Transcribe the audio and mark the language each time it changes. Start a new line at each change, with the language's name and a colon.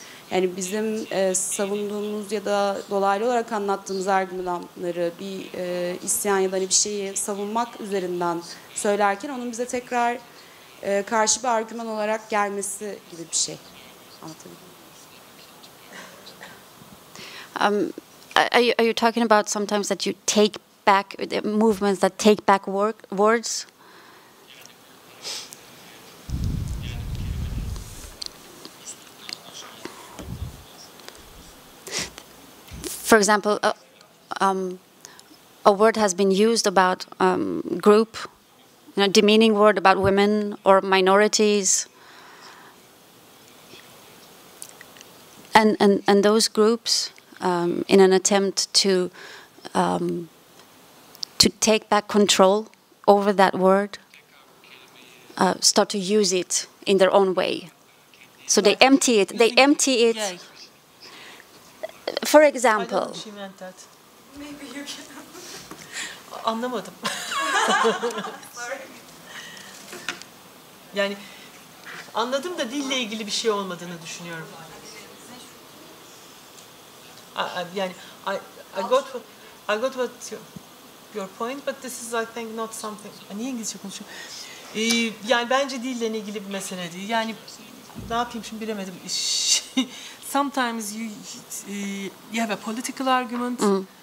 Turkish: Yani bizim savunduğumuz ya da dolaylı olarak anlattığımız argümanları bir isyan ya da hani bir şeyi savunmak üzerinden söylerken onun bize tekrar karşı bir argüman olarak gelmesi gibi bir şey.
English: Are you talking about sometimes that you take back the movements that take back words? For example, a word has been used about group, you know, demeaning word about women or minorities, and those groups, in an attempt to take back control over that word, start to use it in their own way. So they empty it. They empty it. For example, I don't know what she meant that. Maybe you can.
Turkish: Anlamadım.
English: Sorry.
Turkish: Yani anladım da dille ilgili bir şey olmadığını düşünüyorum.
English: I got what your point, but this is I think not something.
Turkish: Niye İngilizce konuşuyorum? Yani bence dille ilgili bir mesele değil. Yani ne yapayım şimdi bilemedim.
English: Sometimes you have a political argument, mm-hmm.